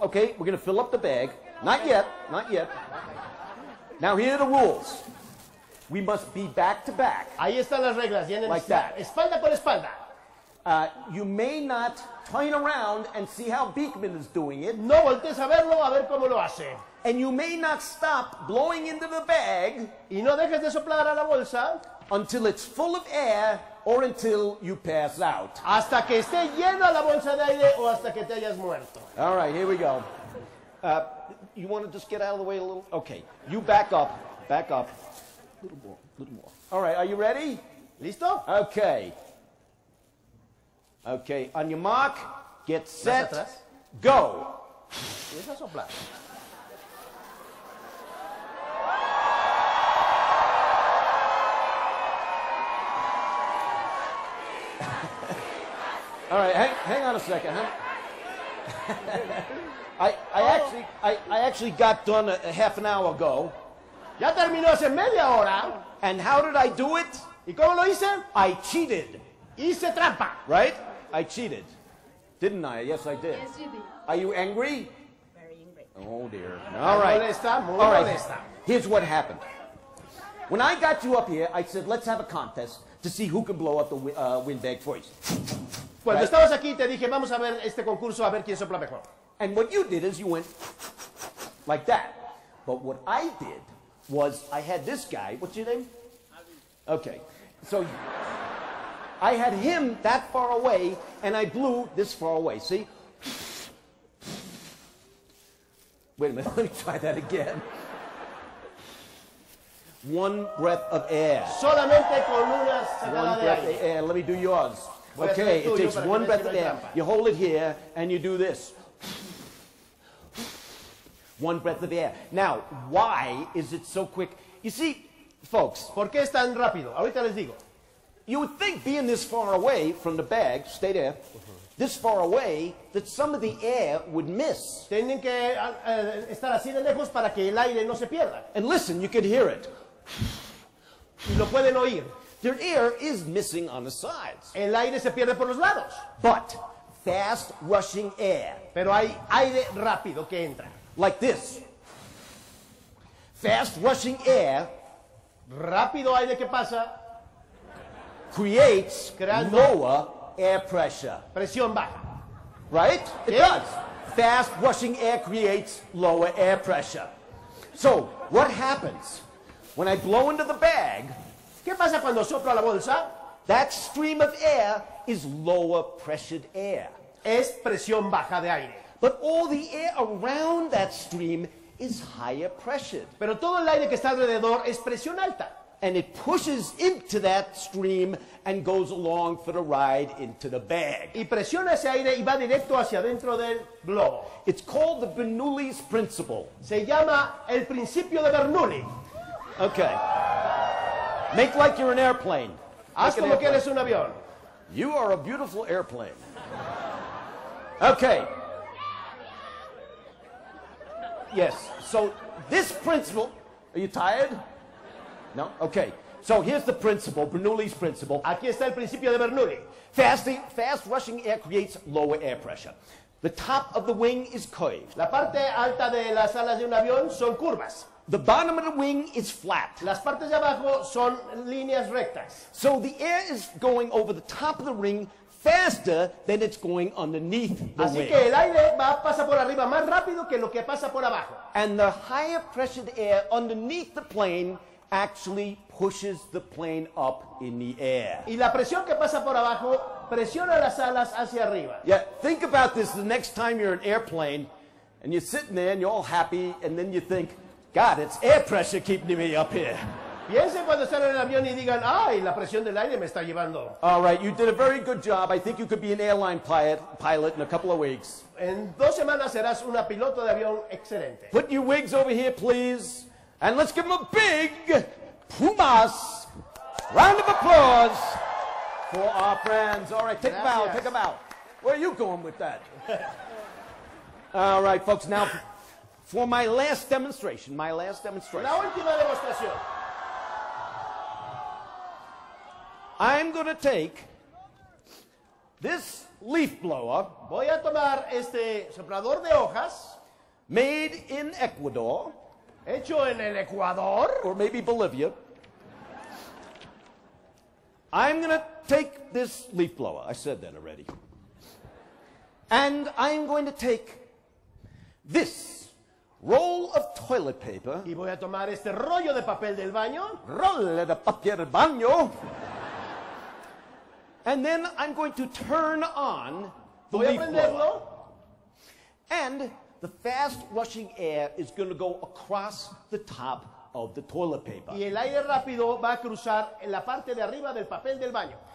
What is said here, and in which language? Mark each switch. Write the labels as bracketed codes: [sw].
[en] Okay, we're going to fill up the bag. Not yet. Now, here are the rules. We must be back to back. [es] Ahí están las reglas. [en] Like that. [es] Espalda con espalda. [en] You may not turn around and see how Beakman is doing it. [es] No voltees a verlo, a ver cómo lo hace. [en] And you may not stop blowing into the bag. [es] Y no dejes de soplar a la bolsa. [en] Until it's full of air or until you pass out. [es] Hasta que esté lleno la bolsa de aire o hasta que te hayas muerto. [en] All right, here we go. You want to just get out of the way a little? Okay, you back up. A little more. All right, are you ready? [es] Listo? [en] Okay. Okay, on your mark, get set, [es] atrás. [en] Go. [es] ¿Es a soplar? [en] All right, hang on a second, huh? I actually got done a half an hour ago. [es] Ya terminó hace media hora. [en] And how did I do it? [es] ¿Y cómo lo hice? [en] I cheated. [es] Hice trampa. [en] Right? I cheated. Didn't I? Yes, I did. Yes, you did. Are you angry? Very angry. Oh, dear. All right. [es] Molesta. [en] Here's what happened. When I got you up here, I said, let's have a contest to see who can blow up the windbag first. [es] Cuando [en] right. [es] Estabas aquí, te dije, vamos a ver este concurso, a ver quién sopla mejor. [en] And what you did is you went like that. But what I did was I had this guy, what's your name? Okay. So I had him that far away, and I blew this far away, see? Wait a minute, let me try that again. One breath of air. [es] Solamente con una sacada de aire. [en] One breath of air, let me do yours. Okay, it takes one breath of air. You hold it here, and you do this. One breath of air. Now, why is it so quick? You see, folks. [es] ¿Por qué es tan rápido? Ahorita les digo. [en] You would think being this far away from the bag, stay there, this far away, that some of the air would miss. [es] Tienen que estar así de lejos para que el aire no se pierda. [en] And listen, you could hear it. [es] Y lo pueden oír. [en] Their air is missing on the sides. [es] El aire se pierde por los lados. [en] But fast rushing air. [es] Pero hay aire rápido que entra. [en] Like this. Fast rushing air. [es] Rápido aire que pasa. [en] Creates lower air pressure. [es] Presión baja. [en] Right? It does. Fast rushing air creates lower air pressure. So what happens when I blow into the bag? [es] ¿Qué pasa cuando soplo a la bolsa? [en] That stream of air is lower pressured air. [es] Es presión baja de aire. [en] But all the air around that stream is higher pressured. [es] Pero todo el aire que está alrededor es presión alta. [en] And it pushes into that stream and goes along for the ride into the bag. [es] Y presiona ese aire y va directo hacia dentro del globo. [en] It's called the Bernoulli's principle. [es] Se llama el principio de Bernoulli. [en] Okay. Make like you're an airplane. [es] Haz como que eres un avión. [en] You are a beautiful airplane. Okay. Yes. So this principle, are you tired? No? Okay. So here's the principle, Bernoulli's principle. [es] Aquí está el principio de Bernoulli. [en] Fast rushing air creates lower air pressure. The top of the wing is curved. [es] La parte alta de las alas de un avión son curvas. [en] The bottom of the wing is flat. [es] Las partes de abajo son líneas rectas. [en] So the air is going over the top of the ring faster than it's going underneath the [es] Así [en] wing. [es] Así que el aire va pasa por arriba más rápido que lo que pasa por abajo. [en] And the higher pressured air underneath the plane actually pushes the plane up in the air. [es] Y la presión que pasa por abajo presiona las alas hacia arriba. [en] Yeah, think about this the next time you're in an airplane and you're sitting there and you're all happy and then you think, God, it's air pressure keeping me up here. [es] Piensen cuando salen en el avión y digan, ay, la presión del aire me está llevando. [en] All right, you did a very good job. I think you could be an airline pilot in a couple of weeks. [es] En dos semanas serás una piloto de avión excelente. [en] Put your wigs over here, please. And let's give them a big Pumas round of applause for our friends. All right, take [es] Gracias. [en] Them out, take them out. Where are you going with that? All right, folks, now... For my last demonstration. [es] La última demostración. [en] I'm gonna take this leaf blower. [es] Voy a tomar este soplador de hojas. [en] Made in Ecuador. [es] Hecho en el Ecuador. [en] Or maybe Bolivia. I'm gonna take this leaf blower. I said that already. And I'm going to take this. Roll of toilet paper. [es] Y voy a tomar este rollo de papel del baño. Roll de papel del baño. [en] And then I'm going to turn on the [es] voy [en] leaf [es] a prenderlo. [en] And the fast rushing air is going to go across the top of the toilet paper. [es] Y el aire rápido va a cruzar en la parte de arriba del papel del baño.